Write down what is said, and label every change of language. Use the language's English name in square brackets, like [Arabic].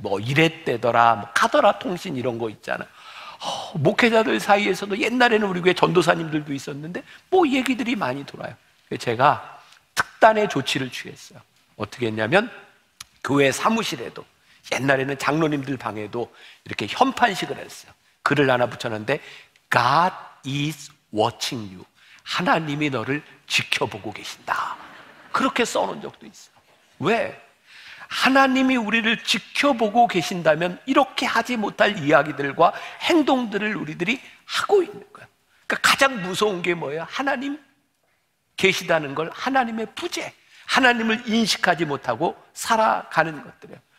[Korean] 뭐 이랬대더라, 뭐 카더라 통신 이런 거 있잖아요. 목회자들 사이에서도 옛날에는 우리 교회 전도사님들도 있었는데 뭐 얘기들이 많이 돌아요. 제가 특단의 조치를 취했어요. 어떻게 했냐면 교회 사무실에도 옛날에는 장로님들 방에도 이렇게 현판식을 했어요. 글을 하나 붙였는데 [English] God is watching you. [Korean] 하나님이 너를 지켜보고 계신다. 그렇게 써놓은 적도 있어요. 왜? 하나님이 우리를 지켜보고 계신다면 이렇게 하지 못할 이야기들과 행동들을 우리들이 하고 있는 거야. 그러니까 가장 무서운 게 뭐예요? 하나님 계시다는 걸 하나님의 부재, 하나님을 인식하지 못하고 살아가는 것들이에요.